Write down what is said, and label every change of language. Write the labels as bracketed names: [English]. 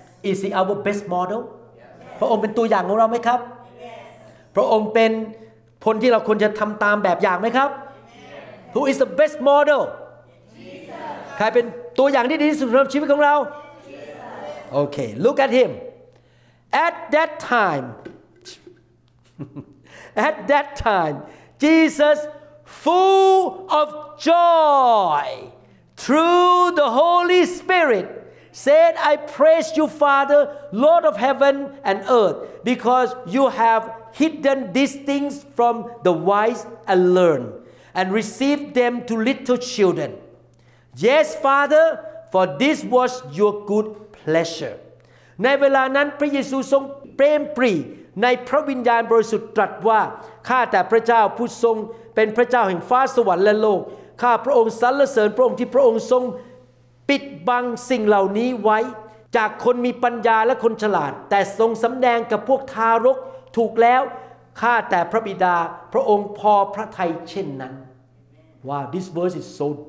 [English] Is he our best model Yes [Thai] พระองค์เป็นตัวอย่างของเราไหมครับ [English] Yes [Thai] พระองค์เป็นคนที่เราควรจะทำตามแบบอย่างไหมครับ [English] Yes Who is the best model Jesus [Thai] ใครเป็นตัวอย่างที่ดีที่สุดในชีวิตของเรา [English] Okay, look at him. At that time, Jesus, full of joy through the Holy Spirit, said, I praise you, Father, Lord of heaven and earth, because you have hidden these things from the wise and learned, and received them to little children. Yes, Father, for this was your good pleasure. [Thai] ในเวลานั้นพระเยซูทรงเปรมปรีในพระวิญญาณบริสุทธิ์ตรัสว่าข้าแต่พระเจ้าผู้ทรงเป็นพระเจ้าแห่งฟ้าสวรรค์และโลกข้าพระองค์สรรเสริญพระองค์ที่พระองค์ทรงปิดบังสิ่งเหล่านี้ไว้จากคนมีปัญญาและคนฉลาดแต่ทรงสำแดงกับพวกทารกถูกแล้วข้าแต่พระบิดาพระองค์พอพระทัยเช่นนั้นว่า [English] this verse is so